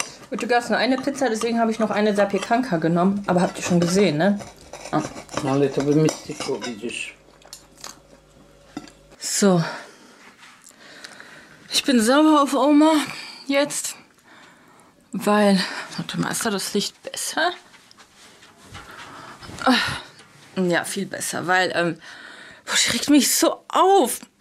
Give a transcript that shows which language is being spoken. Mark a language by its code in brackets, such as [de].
[de] Gut, du gabst nur eine Pizza, deswegen habe ich noch eine Zapiekanka genommen. Aber habt ihr schon gesehen, ne? [pl] No ale to by mi stykło, widzisz. [de] So. Ich bin sauer auf Oma jetzt, weil... Warte mal, ist da das Licht besser? Ach, ja, viel besser, weil... boah, die regt mich so auf.